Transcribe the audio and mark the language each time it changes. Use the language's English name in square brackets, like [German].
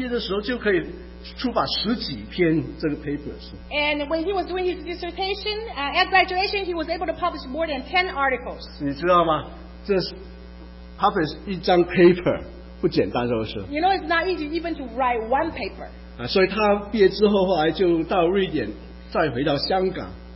[Chinese] 可是没想到就是当他写这个博士论文的时候，他毕业的时候就可以出版十几篇这个 papers. [English] And when he was doing his dissertation, at graduation, he was able to publish more than 10 articles. [Chinese] 你知道吗？这是 publish 一张 paper 不简单，是不是？ [English] You know, it's not easy even to write one paper. [Chinese] 所以他毕业之后后来就到瑞典，再回到香港。